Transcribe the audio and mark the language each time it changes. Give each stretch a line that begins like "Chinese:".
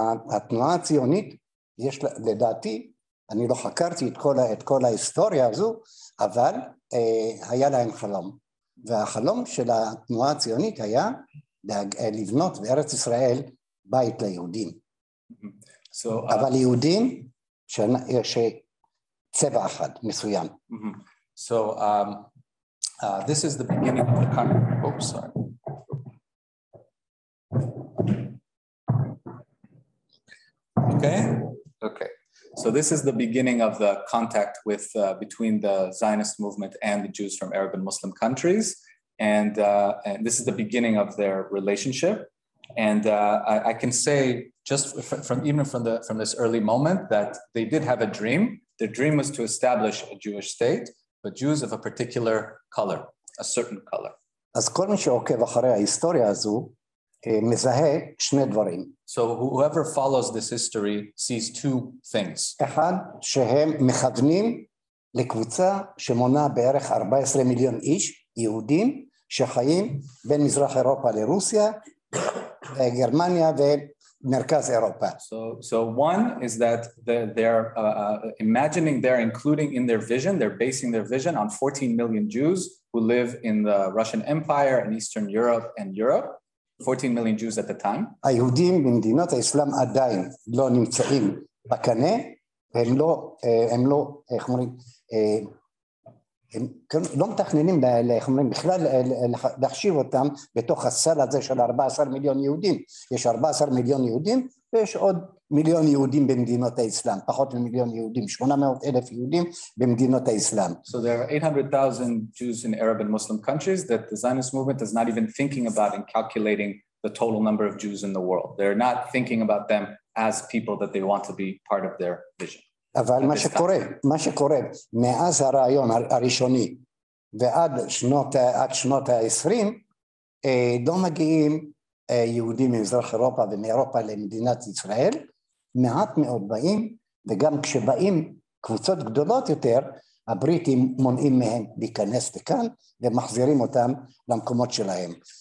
Hebrew: התנועה הציונית, יש לדעתי, אני לא חקרתי את כל ההיסטוריה הזו, אבל היה להם חלום. והחלום של התנועה הציונית היה לבנות בארץ ישראל בית ליהודים. So, אבל יהודים שיש צבע אחד מסוים. Mm-hmm.
English: So this is the beginning of the country. Oops, sorry. Okay. So this is the beginning of the contact with between the Zionist movement and the Jews from Arab and Muslim countries, and this is the beginning of their relationship. And I can say just from this early moment that they did have a dream. Their dream was to establish a Jewish state, but Jews of a particular color, a certain color.
Hebrew: אז כל מי שעוקב אחרי ההיסטוריה הזו מזהה שני דברים.
English: So whoever follows this history sees two things.
Hebrew: אחד, שהם מכוונים לקבוצה שמונה בערך 14 מיליון איש יהודים שחיים בין מזרח אירופה לרוסיה, גרמניה ומרכז אירופה.
English: So one is that they're imagining, they're including in their vision, they're basing their vision on 14 million Jews who live in the Russian Empire and Eastern Europe and Europe. 14 million Jews at the time.
Hebrew: היהודים במדינות האסלאם עדיין לא נמצאים בקנה, הם לא, איך אומרים, הם לא מתכננים בכלל להחשיב אותם בתוך הסל הזה של 14 מיליון יהודים. יש 14 מיליון יהודים ויש עוד מיליון יהודים במדינות האסלאם, פחות ממיליון יהודים, 800 אלף יהודים במדינות האסלאם.
English: So there are 800,000 Jews in Arab and Muslim countries that the Zionist movement is not even thinking about in calculating the total number of Jews in the world. They're not thinking about them as people that they want to be part of their vision.
Hebrew: אבל מה שקורה מאז הרעיון הראשוני ועד שנות ה-20, לא מגיעים יהודים ממזרח אירופה ומאירופה למדינת ישראל, מעט מאוד באים, וגם כשבאים קבוצות גדולות יותר, הבריטים מונעים מהם להיכנס לכאן ומחזירים אותם למקומות שלהם.